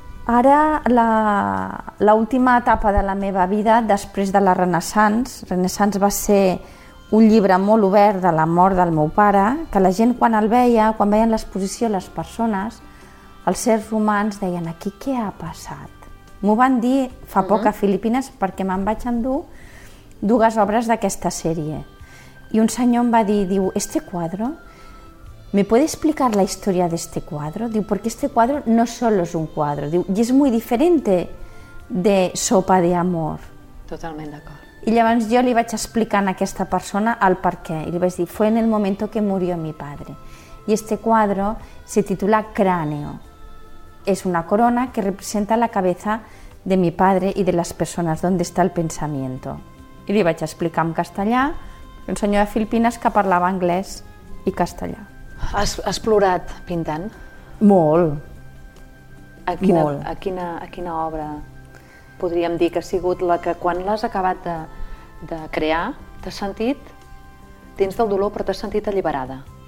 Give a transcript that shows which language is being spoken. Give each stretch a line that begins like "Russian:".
Catalan: Ara, l'última etapa de la meva vida, després de la Renaissance, Renaissance va ser un llibre molt obert de la mort del meu pare, que la gent quan el veia, quan veien l'exposició, les persones, els sers humans deien, aquí què ha passat? M'ho van dir fa poc a Filipines perquè me'n vaig endur dues obres d'aquesta sèrie. I un senyor em va dir, diu,
Spanish: este cuadro, ¿me puede explicar la historia de este cuadro? Diu, porque este cuadro no solo es un cuadro. Diu, y es muy diferente de Sopa de Amor.
Catalan: Totalment d'acord. I llavors jo li vaig explicar a aquesta persona el per què. I li vaig dir,
Spanish: fue en el momento que murió mi padre. Y este cuadro se titula Cráneo. Es una corona que representa la cabeza de mi padre y de las personas, donde está el pensamiento.
Catalan: I li vaig explicar en castellà, un senyor de Filipines que parlava anglès i castellà. Has plorat pintant? Molt. A quina obra podríem dir que ha sigut la que quan l'has acabat de crear t'has sentit, tens del dolor però t'has sentit alliberada?